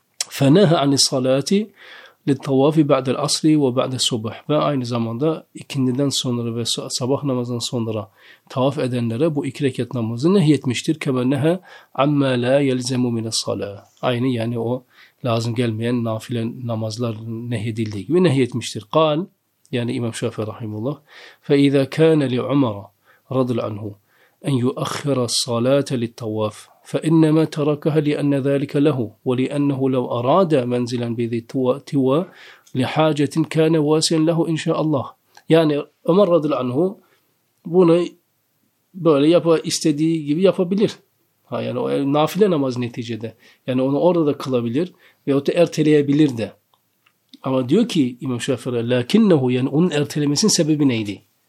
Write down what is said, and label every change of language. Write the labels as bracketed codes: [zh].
[ar] فَنَهَا عَنِ الصَّلَاتِ لِلْتَوَافِ بَعْدَ الْأَصْرِ وَبَعْدَ الصُّبْحِ [tr] Ve aynı zamanda ikindiden sonra ve sabah namazından sonra tavaf edenlere bu iki rekat namazı nehyetmiştir. [ar] كَمَا نَهَا عَمَّا لَا يَلْزَمُ مِنَ الصَّلَاةِ [tr] Aynı yani o lazım gelmeyen nafile namazlar nehyedildiği gibi nehyetmiştir. [ar] قَال Yani İmam Şafii Rahimullah فَإِذَا كَانَ لِعُمَرَ رَضِلْ عَنْهُ اَنْ يُؤَخِّرَ الصَّلَاةَ لِلْتَوَافِ فإنما تركها لأن ذلك له ولأنه لو أراد منزلا بذي توى لحاجة كان واسعا له إن شاء الله. [tr] Yani Ömer radıyallahu anhu bunu böyle istediği gibi yapabilir. Ha, yani o nafile namaz neticede. Yani onu orada da kılabilir veyahut da erteleyebilir de. Ama diyor ki İmam Şafii'ye lakinnehu, yani onun ertelemesinin sebebi neydi?